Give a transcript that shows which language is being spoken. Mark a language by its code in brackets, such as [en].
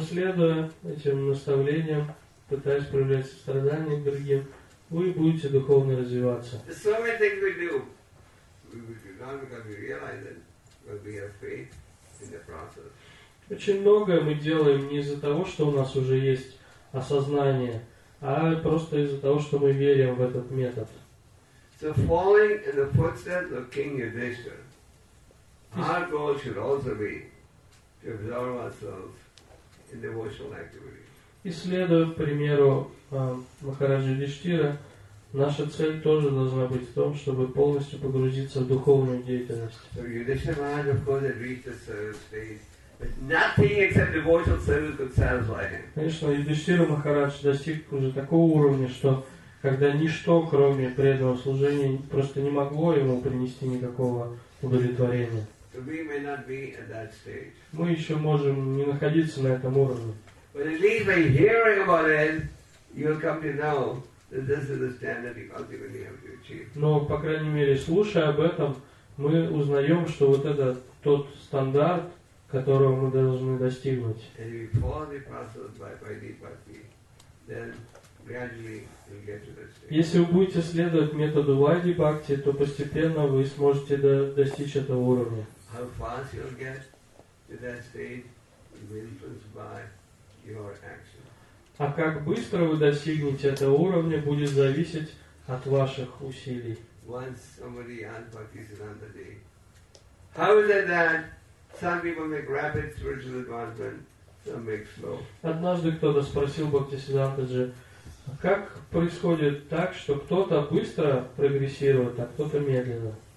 [ru] следуя этим наставлениям, пытаясь проявлять сострадание к другим, вы будете духовно развиваться. [en] So many things we do. We do not because we realize it, but we have faith in the process. [ru] Очень многое мы делаем не из-за того, что у нас уже есть осознание, а просто из-за того, что мы верим в этот метод. [en] So following in the footsteps of King Yudhishthira, our goal should also be to absorb ourselves in devotional activity. [ru] И следуя примеру Махараджи Юдхиштхира, наша цель тоже должна быть в том, чтобы полностью погрузиться в духовную деятельность. Конечно, Юдхиштхира Махарадж достиг уже такого уровня, что когда ничто, кроме преданного служения, просто не могло ему принести никакого удовлетворения. Мы еще можем не находиться на этом уровне. [en] But at least by hearing about it, you'll come to know that this is the standard you ultimately have to achieve. [ru] Но по крайней мере, слушая об этом, мы узнаем, что вот это тот стандарт, которого мы должны достигнуть. [en] And if you follow the process by Deepati, then gradually you'll get to that state. [ru] Если вы будете следовать методу Вайди Бхакти, то постепенно вы сможете достичь этого уровня. [en] How fast you'll get to that state will be influenced by your action. [ru] А как быстро вы достигнете этого уровня, будет зависеть от ваших усилий. [en] Once somebody asked Bhaktisiddhanta Ji, how is it that some people make rapid spiritual advancement, some make slow? [ru] Однажды кто-то спросил Бхактисиддханта Джи, как происходит так, что кто-то быстро прогрессирует, а кто-то медленно?